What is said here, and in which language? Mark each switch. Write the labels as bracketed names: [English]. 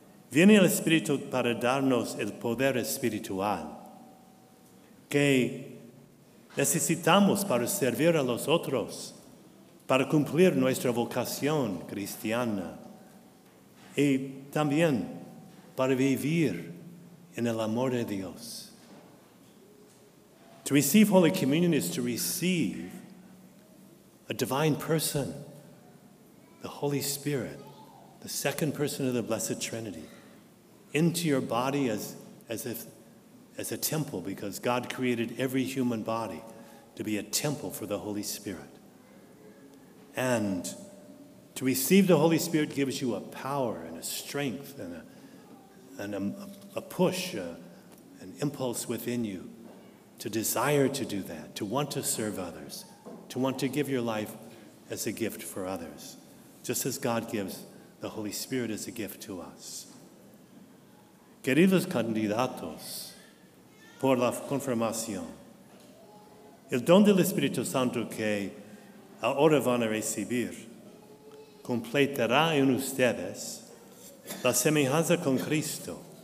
[Spanish] Viene el Espíritu para darnos el poder espiritual que necesitamos para servir a los otros, para cumplir nuestra vocación cristiana y también para vivir en el amor de Dios. [English] To receive Holy Communion is to receive a divine person, the Holy Spirit, the second person of the Blessed Trinity, into your body as a temple, because God created every human body to be a temple for the Holy Spirit. And to receive the Holy Spirit gives you a power and a strength and an impulse within you to desire to do that, to want to serve others, to want to give your life as a gift for others, just as God gives the Holy Spirit as a gift to us. [Spanish] Queridos candidatos, por la confirmación, el don del Espíritu Santo que ahora van a recibir completará en ustedes la semejanza con Cristo.